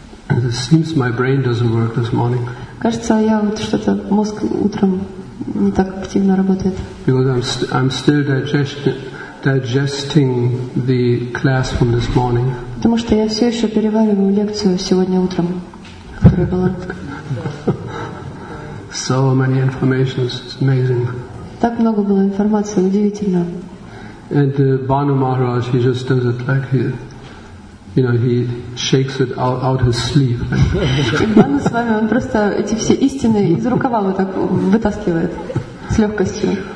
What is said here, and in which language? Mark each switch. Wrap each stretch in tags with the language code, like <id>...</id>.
<en>It seems my brain doesn't work this morning.</en> <ru>Кажется, я вот что-то мозг утром не так активно работает.</ru> <en>Because I'm still digesting the class from this morning.</en> <ru>Потому что я все еще перевариваю лекцию сегодня утром, которая была.</ru> <en>So many information, it's amazing.</en> <ru>Так много было информации, удивительно.</ru> <en>And Bhanu Maharaj, he just does it like he. You know, he shakes it out his sleeve.</en> <ru>Ивана с вами, он просто эти все истины из рукава вот так вытаскивает с легкостью.</ru>